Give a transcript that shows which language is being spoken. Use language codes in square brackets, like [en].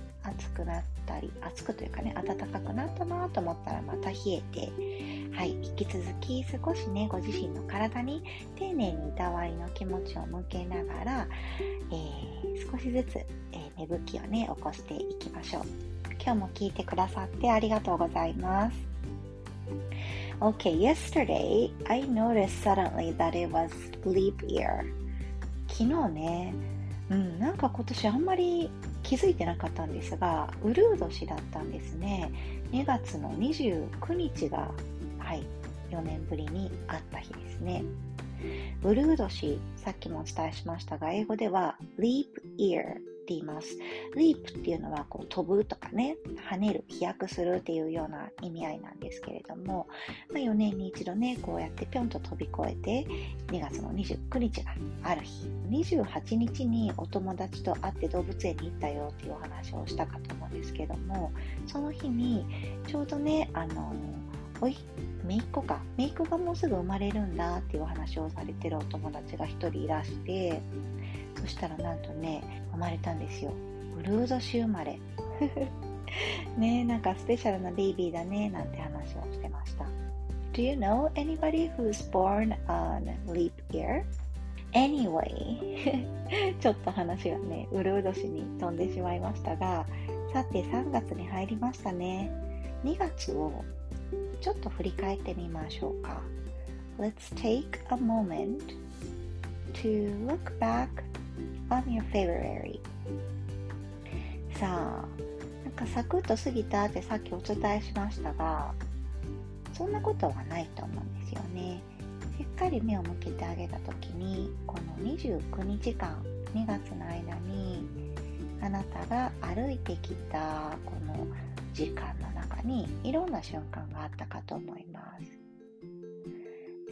[ja] 暑くなったり、暑くというかね、暖かくなったなと思ったらまた冷えて、はい、引き続き少しね、ご自身の体に丁寧にいたわりの気持ちを向けながら、少しずつ、芽吹きをね、起こしていきましょう。今日も聞いてくださってありがとうございます。 [en] Okay, yesterday, I noticed suddenly that it was leap year. [ja] 昨日ね、なんか今年あんまり気づいてなかったんですが、うるう年だったんですね。 2月の29日が、はい、4年ぶりに会った日ですね。うるう年、さっきもお伝えしましたが、英語では leap year って言います。 leap っていうのはこう飛ぶとかね、跳ねる、飛躍するっていうような意味合いなんですけれども、まあ、4年に一度ね、こうやってぴょんと飛び越えて、2月の29日がある日、28日にお友達と会って動物園に行ったよっていうお話をしたかと思うんですけども、その日にちょうどね、おい、めいっ子がもうすぐ生まれるんだっていうお話をされてるお友達が一人いらして、そしたらなんとね、生まれたんですよ。うるう年生まれ。ねえ、なんかスペシャルなベイビーだね、なんて話をしてました。 [en] Do you know anybody who's born on leap year? [ja] Anyway, ちょっと話がね、うるう年に飛んでしまいましたが、さて3月に入りましたね。 2月をちょっと振り返ってみましょうか。 [en] Let's take a moment to look back on your February. [ja] さあ、なんかサクッと過ぎたってさっきお伝えしましたが、そんなことはないと思うんですよね。しっかり目を向けてあげたときに、この29日間、2月の間に、あなたが歩いてきたこの時間の中にいろんな瞬間があったかと思います。